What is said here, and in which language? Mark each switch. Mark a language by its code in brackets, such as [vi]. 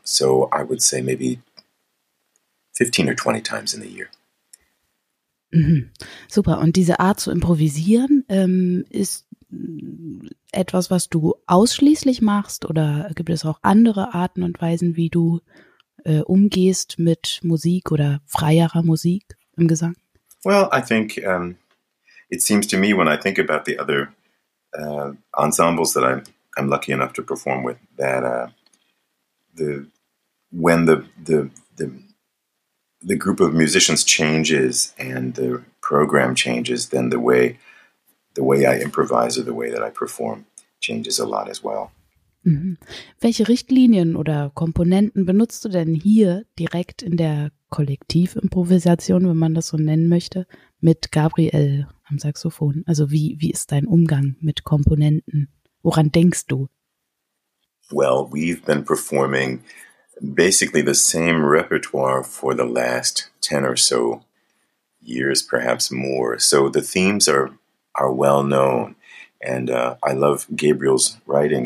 [en] So I would say maybe 15 or 20 times in the year. [de] Mhm. Super. Und diese Art zu improvisieren, ist etwas, was du ausschließlich machst? Oder gibt es auch andere Arten und Weisen, wie du umgehst mit Musik oder freierer Musik im Gesang? [en] Well, I think it seems to me, when I think about the other ensembles that I'm lucky enough to perform with, that when the group of musicians changes and the program changes, then the way I improvise or the way that I perform changes a lot as well. Mhm. [de] Welche Richtlinien oder Komponenten benutzt du denn hier direkt in der Kollektivimprovisation, wenn man das so nennen möchte, mit Gabriel am Saxophon? Also wie ist dein Umgang mit Komponenten? Woran denkst du? [en] Well, we've been performing basically the same repertoire for the last 10 or so years, perhaps more. So the themes are well known. And I love Gabriel's writing.